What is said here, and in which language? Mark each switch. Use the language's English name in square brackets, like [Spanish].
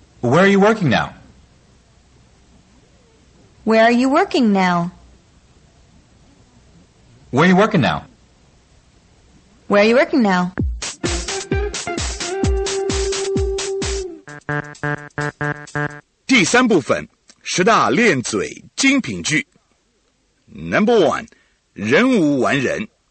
[English] Where are you working now? Where are you working now? Where are you working now? Where are you working now? Where are you working now? [Chinese] 第三部分，十大练嘴精品句。 [English] Number one, [Chinese] 人无完人。